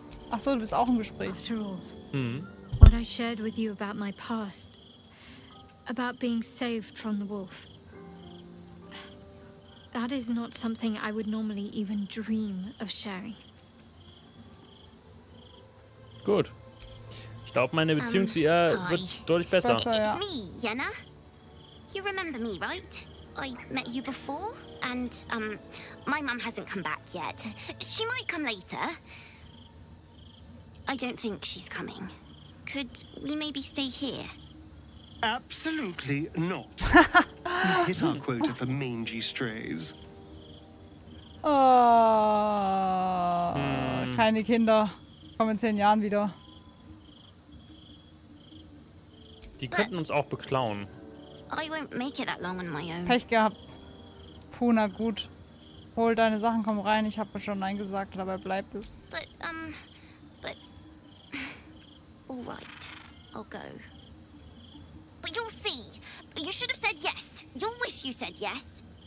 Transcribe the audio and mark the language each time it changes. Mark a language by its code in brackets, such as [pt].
[de] Ach so, du bist auch im Gespräch. [en] After all, what I shared with you about my past, about being saved from the wolf, that is not something I would normally even dream of sharing. [de] Gut. Ich glaube, meine Beziehung zu ihr wird deutlich besser. [en] It's me, Yenna. You remember me, right? I met you before, and my mom hasn't come back yet. She might come later. I don't think she's coming. Could we maybe stay here? Absolutely not. We've hit our quota for mangy strays. [de] Keine Kinder. Kommen in 10 Jahren wieder. Die könnten uns auch beklauen. [en] I won't make it that long on my own. [de] Pech gehabt. Puh, na gut. Hol deine Sachen, komm rein. Ich hab schon Nein gesagt, dabei bleibt es. [en] But alright. I'll go. But you'll see. You should have said yes. You'll wish you said yes.